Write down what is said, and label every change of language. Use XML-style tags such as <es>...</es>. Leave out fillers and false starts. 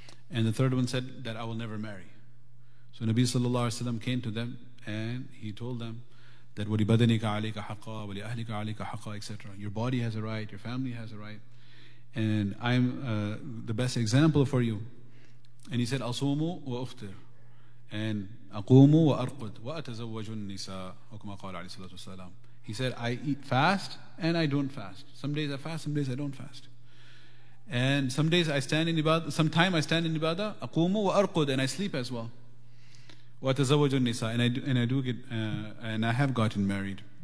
<en>And the third one said that I will never marry. So Nabi sallallahu alayhi wa sallam came to them and he told them that</en> <ar>wa li badanika alayka haqqa,</ar> <en>wa li ahlika alayka haqqa, etc. Your body has a right, your family has a right, and I'm the best example for you. And he said,</en> <ar>Asumu wa uftir.</ar> <en>And</en> <ar>أقوم وأرقد وأتزوج النساء وكما قال عليه الصلاة والسلام.</ar> <en>He said, I eat fast and I don't fast. Some days I fast, some days I don't fast. And some days I stand in ibadah, sometime I stand in ibadah,</en> <ar>أقوم وأرقد,</ar> <en>and I sleep as well.</en> <ar>وأتزوج النساء,</ar> <en>and I have gotten married.</en>